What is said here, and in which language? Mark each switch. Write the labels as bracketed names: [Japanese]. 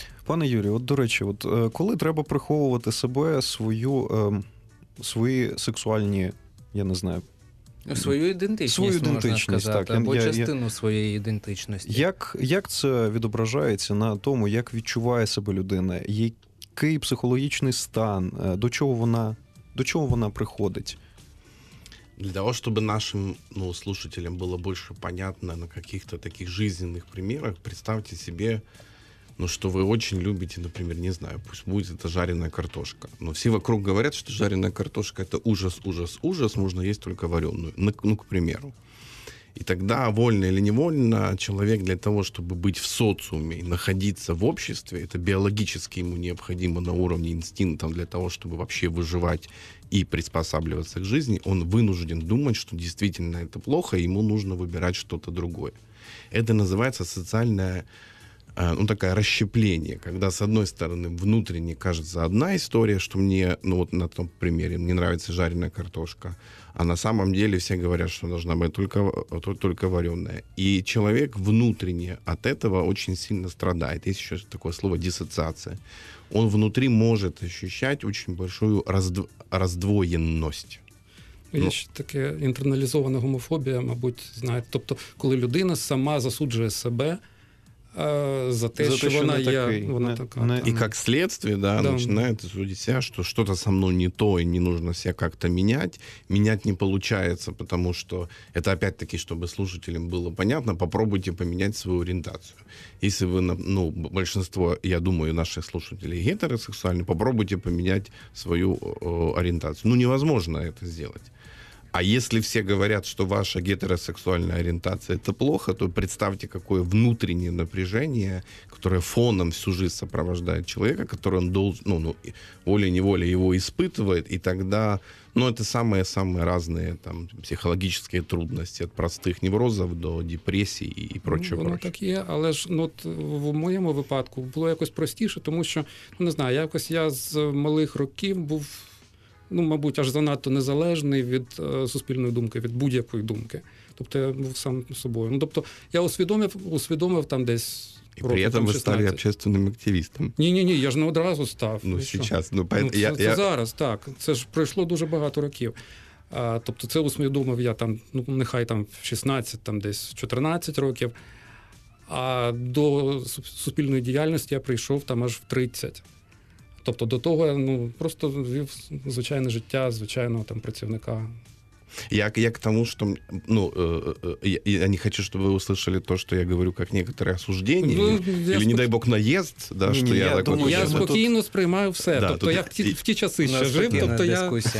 [Ukrainian] Пане Юрію, от, до речі, от, коли треба приховувати себе, свою, свої сексуальні, я не знаю... Свою ідентичність, свою ідентичність, можна сказати, так, або частину своєї ідентичності. Як це відображається на тому, як відчуває себе людина, який психологічний стан, до чого вона приходить? [Russian] Для того, чтобы нашим, ну, слушателям было больше понятно на каких-то таких жизненных примерах, представьте себе, ну, что вы очень любите, например, не знаю, пусть будет это жареная картошка. Но все вокруг говорят, что жареная картошка – это ужас, ужас, ужас, можно есть только вареную, ну, к примеру. И тогда, вольно или невольно, человек для того, чтобы быть в социуме, находиться в обществе, это биологически ему необходимо на уровне инстинктов для того, чтобы вообще выживать и приспосабливаться к жизни, он вынужден думать, что действительно это плохо, ему нужно выбирать что-то другое. Это называется социальное, ну, такое расщепление, когда, с одной стороны, внутренне кажется одна история, что мне, ну, вот на том примере, мне нравится жареная картошка, а на самом деле все говорят, что должна быть только вареная. И человек внутренне от этого очень сильно страдает. Есть еще такое слово диссоциация. Он внутри может ощущать очень большую раздвоенность. [Ukrainian] Є ще таке інтерналізована гомофобія, мабуть, знаєте. Тобто, коли людина сама засуджує себе за те, що вона є. І як слідство, да, починає судитися, що щось зі мною не то, і не потрібно себе якось міняти. Міняти не виходить, тому що це, опять-таки, щоб слухателям було зрозуміло, попробуйте поміняти свою орієнтацію. Якщо ви, ну, більшість, я думаю, наших слухателів гетеросексуальні, попробуйте поміняти свою орієнтацію. Ну, невозможно це зробити. [Russian] А если все говорят, что ваша гетеросексуальная ориентация – это плохо, то представьте, какое внутреннее напряжение, которое фоном всю жизнь сопровождает человека, который он должен, ну, волей-неволей его испытывает, и тогда, ну, это самые-самые разные там психологические трудности, от простых неврозов до депрессии и прочего. [Ukrainian] Ну, воно так є, але ж, ну, от, в моєму випадку було якось простіше, тому що, ну, не знаю, якось я з малих років був, ну, мабуть, аж занадто незалежний від суспільної думки, від будь-якої думки. Тобто я був сам собою. Ну, тобто я усвідомив там десь... І при цьому ви стали общественним активістом. Ні, я ж не одразу став. Ну, зараз, ну, зараз, так. Це ж пройшло дуже багато років. Тобто це усвідомив я там, ну, нехай там 16, там десь 14 років. А до суспільної діяльності я прийшов там аж в 30. Тобто до того, ну, просто вів звичайне життя звичайного там працівника. [Russian] Я к тому, что, ну, я не хочу, чтобы вы услышали то, что я говорю, как некоторое осуждение, ну, или, не дай Бог, наезд, да, не, что я такой... [Ukrainian] Я спокійно сприймаю все, да, тобто я в ті часи ще жив, тобто я...